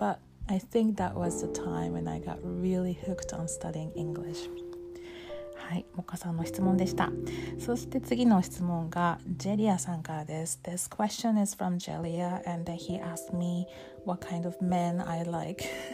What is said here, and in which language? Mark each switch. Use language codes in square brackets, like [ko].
[en] But I think that was the time when I got really hooked on studying English. [ja] はい、モカさんの質問でした。そして次の質問がジェリアさんからです。 [en] This question is from Jelia, and he asked me what kind of men I like.